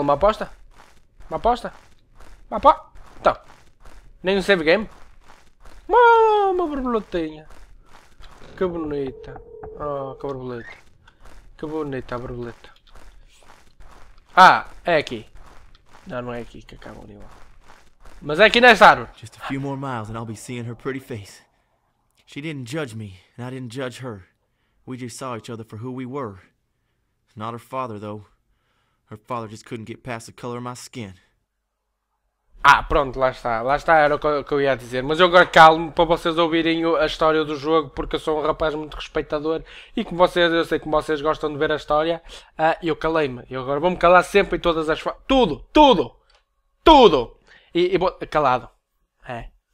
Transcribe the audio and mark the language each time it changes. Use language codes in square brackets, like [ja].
[pt] Uma aposta? Uma aposta? Uma aposta? Então. Nem um save game? Uma borboletinha. Que bonita. Oh, que borboleta. Que bonita a borboleta. Ah, é aqui. Não, não é aqui que acaba o nível. Mas é aqui nesta árvore. [en] Just a few more miles and I'll be seeing her pretty face. She didn't judge me, and I didn't judge her. We just saw each other for who we were. Not her father, though. Her father just couldn't get past the color of my skin. [pt] Ah, pronto, lá está. Lá está, era o que eu ia dizer. Mas eu agora calmo para vocês ouvirem a história do jogo, porque eu sou um rapaz muito respeitador e como vocês, eu sei que vocês gostam de ver a história. Eu calei-me. Eu agora vou-me calar sempre em todas as. Tudo! Tudo! Tudo! E bom, calado. É.